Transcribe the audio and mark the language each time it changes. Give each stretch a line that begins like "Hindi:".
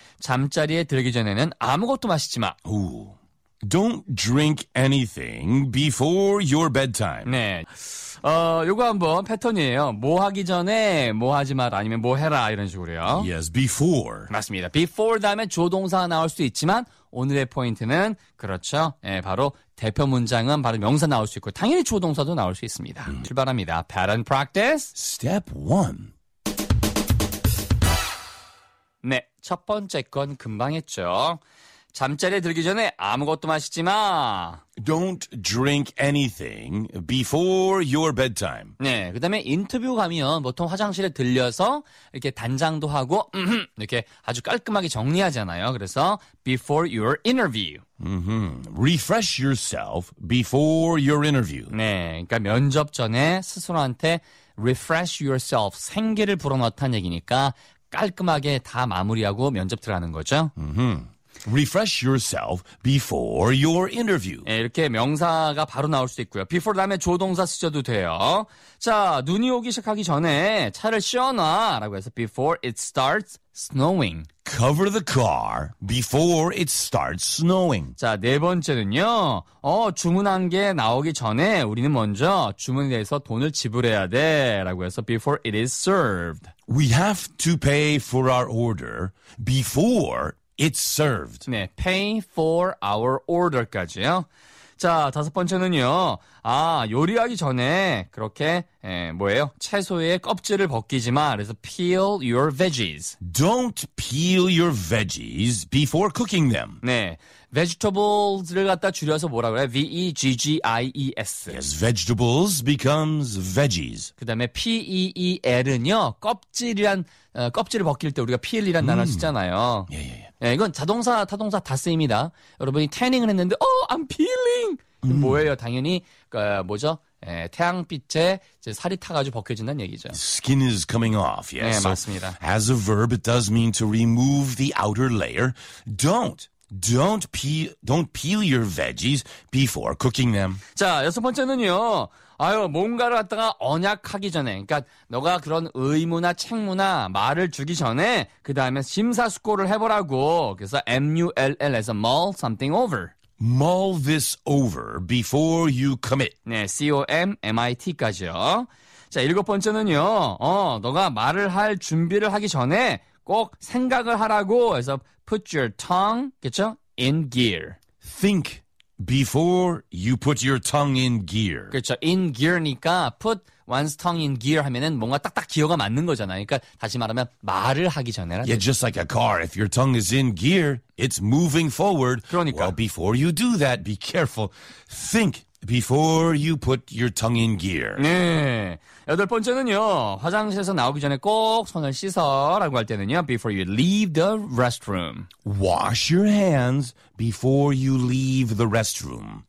Korean: 잠자리에 들기 전에는 아무것도 마시지 마.
English: Don't drink anything before your bedtime.
Korean: 네. 요거 한번 패턴이에요. 뭐 하기 전에 뭐 하지 마라 아니면 뭐 해라 이런 식으로요.
English: Yes, before.
Korean: 맞습니다. Before 다음에 조동사가 나올 수도 있지만 오늘의 포인트는 그렇죠. 예, 바로 대표 문장은 바로 명사 나올 수 있고 당연히 조동사도 나올 수 있습니다. 출발합니다.
English: Pattern practice. Step 1.
Korean: 네, 첫 번째 건 금방 했죠. 잠자리에 들기 전에 아무것도 마시지 마.
English: Don't drink anything before your bedtime.
Korean: 네, 그 다음에 인터뷰 가면 보통 화장실에 들려서 이렇게 단장도 하고 이렇게 아주 깔끔하게 정리하잖아요. 그래서
English: before your interview. Mm-hmm. Refresh yourself before your interview.
Korean: 네, 그러니까 면접 전에 스스로한테
English: refresh yourself,
Korean: 생기를 불어넣다는 얘기니까 깔끔하게 다 마무리하고 면접 들어가는 거죠. Mm-hmm.
English: Refresh yourself before your interview.
Korean: 네, 이렇게 명사가 바로 나올 수 있고요. Before 다음에 조동사 쓰셔도 돼요. 자, 눈이 오기 시작하기 전에 차를 씌워놔라고 해서
English: before it starts snowing. Cover the car before it starts snowing.
Korean: 자, 네 번째는요. 주문한 게 나오기 전에 우리는 먼저 주문에 대해서 돈을 지불해야 돼라고 해서
English: before it is served. We have to pay for our order before it's served. 네, pay for our order까지요.
Korean: 자, 다섯 번째는요. 아, 요리하기 전에 그렇게 뭐예요? 채소의 껍질을 벗기지 마. 그래서
English: peel your veggies. Don't peel your veggies before cooking them.
Korean: 네. Vegetables를 갖다 줄여서 뭐라 그래?
English: V-E-G-G-I-E-S. Yes, vegetables becomes veggies.
Korean: 그 다음에 P-E-E-L은요. 껍질이란, 껍질을 벗길 때 우리가 peel이란 단어 쓰잖아요. 예, 예, 예. 네, 이건 자동사, 타동사 다 쓰입니다. 여러분이 태닝을 했는데,
English: I'm peeling!
Korean: 뭐예요? 당연히, 뭐죠? 예, 태양빛에 이제 살이 타가지고 벗겨진다는 얘기죠.
English: Skin is coming off, yes.
Korean: 네, 맞습니다.
English: So, as a verb, it does mean to remove the outer layer. Don't peel your veggies before cooking them.
Korean: 자, 여섯 번째는요. 아유, 뭔가를 갖다가 언약하기 전에, 그러니까 너가 그런 의무나 책무나 말을 주기 전에 그 다음에 심사숙고를 해보라고. 그래서
English: mull에서 mull something over. Mull this over before you commit.
Korean: 네, commit까지요. 자, 일곱 번째는요. 너가 말을 할 준비를 하기 전에 꼭 생각을 하라고 해서
English: put your tongue,
Korean: 그렇죠?
English: in gear. Think before you put your tongue in gear.
Korean: 그렇죠. in gear니까
English: put one's tongue in gear
Korean: 하면은 뭔가 딱딱 기어가 맞는 거잖아요. 그러니까 다시 말하면 말을 하기 전에.
English: Yeah, just like a car. If your tongue is in gear, it's moving forward.
Korean: 그러니까.
English: Well, before you do that, be careful. Think before you put your tongue in gear.
Korean: 네. 여덟 번째는요.
English: 화장실에서 나오기 전에 꼭 손을 씻어라고 할 때는요. Before you leave the restroom. Wash your hands before you leave the restroom.